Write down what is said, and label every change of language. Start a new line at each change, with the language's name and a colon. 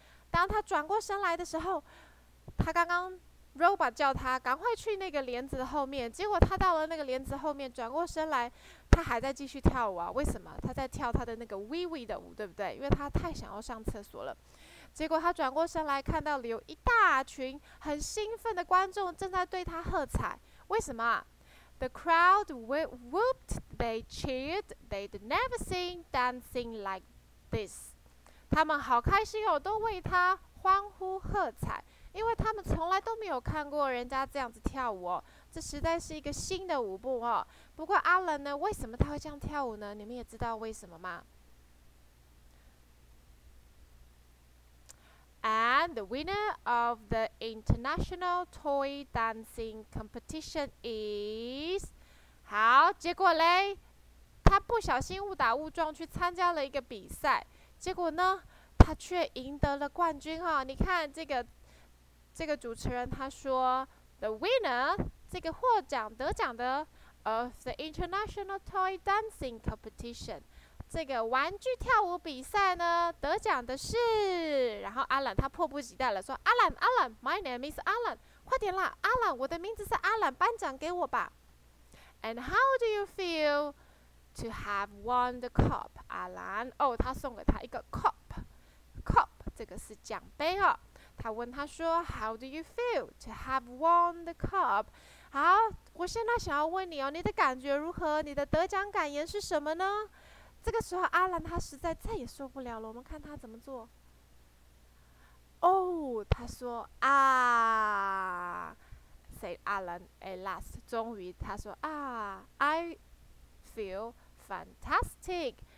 Chinese: 当他转过身来的时候，他刚刚 robot 叫他赶快去那个帘子的后面，结果他到了那个帘子后面，转过身来，他还在继续跳舞啊？为什么？他在跳他的那个 wee wee 的舞，对不对？因为他太想要上厕所了。结果他转过身来，看到了有一大群很兴奋的观众正在对他喝彩，为什么啊？
English: The crowd whooped, they cheered, they'd never seen dancing like this.
Chinese: 他们好开心哦，都为他欢呼喝彩，因为他们从来都没有看过人家这样子跳舞哦。这实在是一个新的舞步哦。不过阿伦呢，为什么他会这样跳舞呢？你们也知道为什么吗？ And the winner of the international toy dancing competition is 好，结果嘞，他不小心误打误撞去参加了一个比赛，结果呢，他却赢得了冠军哦。你看这个主持人他说 The winner 这个获奖得奖的 of the international toy dancing competition 这个玩具跳舞比赛呢得奖的是，然后阿兰他迫不及待了说阿兰 My name is Alan，快点啦阿兰，我的名字是阿兰，颁奖给我吧。
English: And how do you feel to have won the cup 阿兰？
Chinese: 哦，他送给他一个 cup 这个是奖杯哦。
English: 他问他说 How do you feel to have won the cup?
Chinese: 好，我现在想要问你哦，你的感觉如何？你的得奖感言是什么呢？这个时候阿兰他实在再也受不了了，我们看他怎么做。
English: Oh, 他说啊 said Alan at last, 终于他说啊 I feel fantastic.